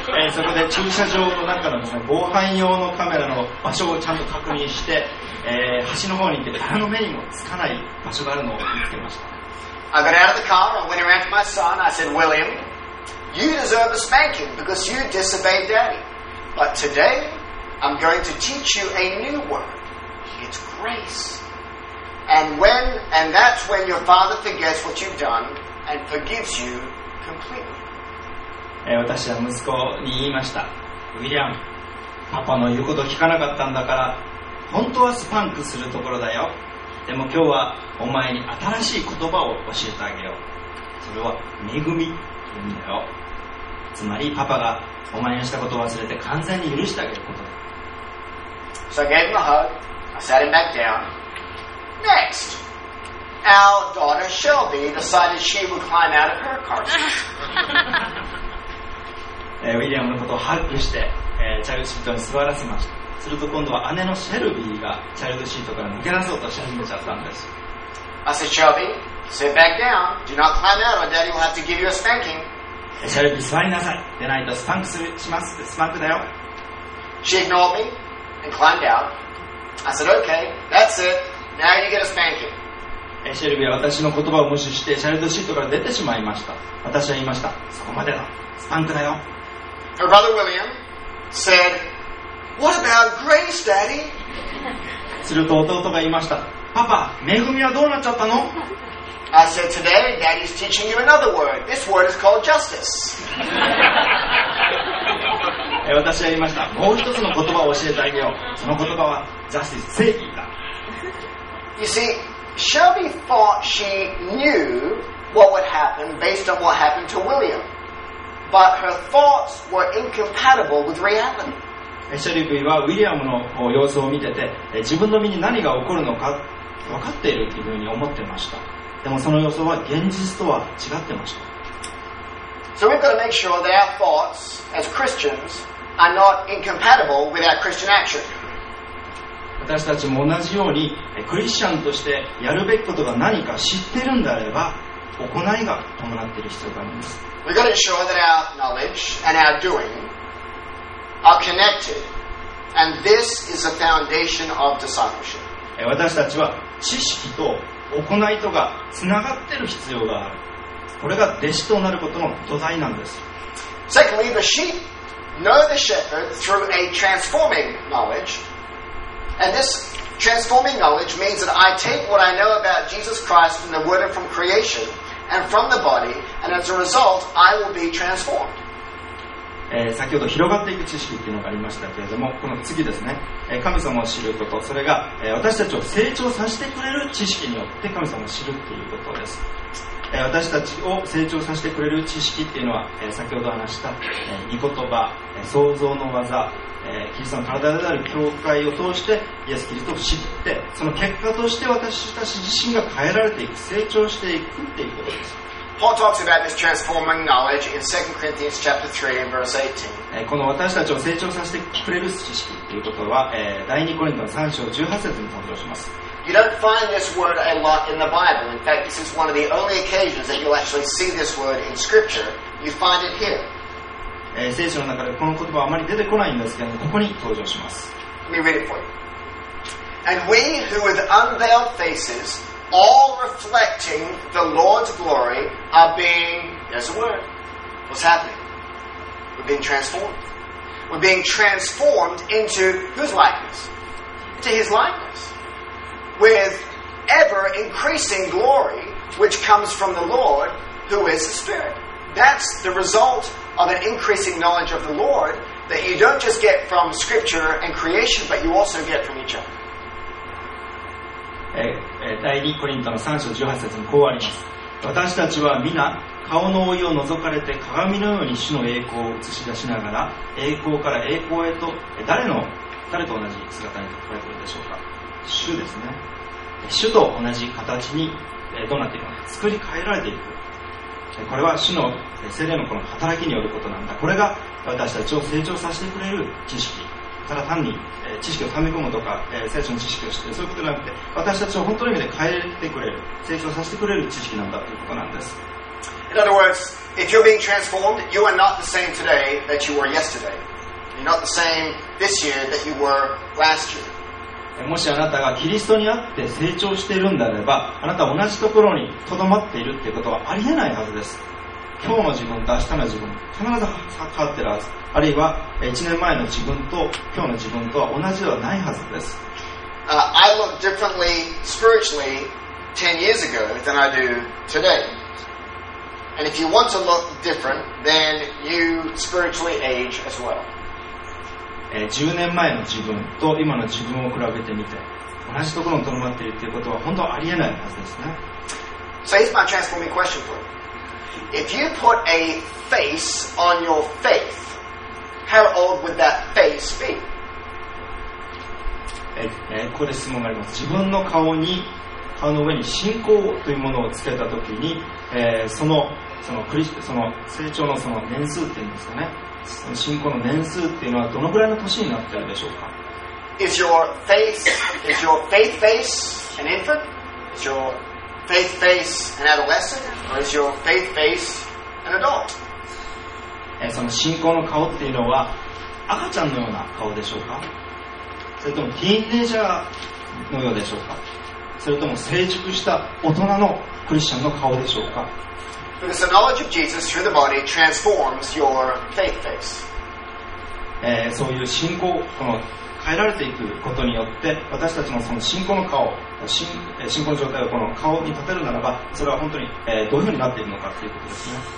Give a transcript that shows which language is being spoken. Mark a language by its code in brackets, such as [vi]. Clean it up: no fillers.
[ja] そこで駐車場の中のですね、防犯用のカメラの場所をちゃんと確認して。橋の方に行って誰の目にもつかない場所があるのを見つけました。 [en] I got out of the car, I went around to my son, I said, William, you deserve a spanking because you disobeyed daddy. But today, I'm going to teach you a new word. It's grace. And that's when your father forgets what you've done and forgives you completely. [ja] 私は息子に言いました。ウィリアム、パパの言うことを聞かなかったんだから、本当はスパンクするところだよ。でも今日はお前に新しい言葉を教えてあげよう。それは恵みというんだよ。つまりパパがお前のしたことを忘れて完全に許してあげることだ。 [en] So I gave him a hug. I sat him back down. Next, our daughter Shelby decided she would climb out of her car seat. [ja] ウィリアムのことをハッグして、チャイルドシートに座らせました。すると今度は姉のシェルビーがチャイルドシートから抜け出そうとし始めちゃったんです。 [en] I said, Shelby, sit back down. Do not climb out or daddy will have to give you a spanking. [ja] シェルビー座りなさい。でないとスパンクするします。スパンクだよ。 [en] She ignored me and climbed out. I said, okay, that's it. Now you get a spanking. [ja] シェルビーは私の言葉を無視してチャイルドシートから出てしまいました。私は言いました。そこまでだ。スパンクだよ。 [en] Her brother William said, What about Grace, Daddy? [ja] すると弟が言いました。パパ、恵みはどうなっちゃったの? [en] I said, Today, Daddy's teaching you another word. This word is called justice. [ja] 私は言いました。もう一つの言葉を教えてあげよう。その言葉は、justice、正義だ。 [en] You see, Shelby thought she knew what would happen based on what happened to William. But her thoughts were incompatible with reality. [ja] シェルビーはウィリアムの様子を見てて自分の身に何が起こるのか分かっているというふうに思ってました。でもその予想は現実とは違ってました。 [en] So we've got to make sure that our thoughts as Christians are not incompatible with our Christian action. [ja] 私たちも同じようにクリスチャンとしてやるべきことが何か知ってるんであれば行いが伴っている必要があります。 [en] We got to ensure that our knowledge and our doing are connected, and this is the foundation of discipleship. [ja] 私たちは知識と行いとがつながっている必要がある。これが弟子となることの土台なんです。 [en] Secondly, the sheep know the shepherd through a transforming knowledge, and this transforming knowledge means that I take what I know about Jesus Christ from the Word and from creation. And from the body, and as a result, I will be transformed. [ja] 先ほど広がっていく知識っていうのがありましたけれども、この次ですね、神様を知ること、それが私たちを成長させてくれる知識によって神様を知るっていうことです。私たちを成長させてくれる知識っていうのは、先ほど話した御言葉、創造の技、キリストの体である教会を通してイエス・キリストを知って、その結果として私たち自身が変えられていく、成長していくっていうことです。 [en] Paul talks about this transforming knowledge in 2 Corinthians chapter 3 and verse 18. [ja] この私たちを成長させてくれる知識ということは、第2コリントの3章18節に登場します。 [en] You don't find this word a lot in the Bible. In fact, this is one of the only occasions that you'll actually see this word in Scripture. You find it here. [ja] 聖書の中でこの言葉はあまり出てこないんですけども、ここに登場します。 [en] Let me read it for you. And we who with unveiled faces, all reflecting the Lord's glory, are being, there's a word, what's happening? We're being transformed. We're being transformed into whose likeness? Into his likeness. With ever increasing glory, which comes from the Lord, who is the Spirit. That's the result of an increasing knowledge of the Lord that you don't just get from Scripture and creation, but you also get from each other. [ja] 第2コリントの3章18節にこうあります。私たちは皆、顔の覆いを覗かれて鏡のように主の栄光を映し出しながら、栄光から栄光へと、誰と同じ姿に描かれているでしょうか。主ですね。主と同じ形にどうなっていくのか作り変えられていく。これは主の聖霊のこの働きによることなんだ。これが私たちを成長させてくれる知識。ただ単に知識をため込むとか聖書の知識を知ってそういうことではなくて、私たちを本当の意味で変えてくれる、成長させてくれる知識なんだということなんです。 [en] In other words, if you're being transformed, you are not the same today that you were yesterday. You're not the same this year that you were last year. [ja] もしあなたがキリストにあって成長しているんであれば、あなたは同じところにとどまっているということはありえないはずです。今日の自分と明日の自分必ず変わっているはず、あるいは1年前の自分と今日の自分とは同じではないはずです。 [en] I look differently spiritually 10 years ago than I do today. And if you want to look different, then you spiritually age as well. [ja] 10年前の自分と今の自分を比べてみて同じところに留まっているということは本当はありえないはずですね。 [en] So here's my transforming question for you. If you put a face on your faith, how old would that face be? [ja] ここで質問があります。自分の顔に顔の上に信仰というものをつけたときに、その成長 の, その年数というんですかね、その信仰の年数というのはどのぐらいの年になっているでしょうか。 [en] Is your face, is your faith face an infant? Is your faith face an adolescent? Or is your faith face an adult? [ja] その信仰の顔というのは赤ちゃんのような顔でしょうか、それともティーンエイジャーのようでしょうか、それとも成熟した大人のクリスチャンの顔でしょうか。 [en] Because the knowledge of Jesus through the body transforms your faith face. [ja] そういう信仰、この変えられていくことによって、私たちのその信仰の顔、信仰の状態をこの顔に立てるならば、それは本当に、どういうふうになっているのかということですね。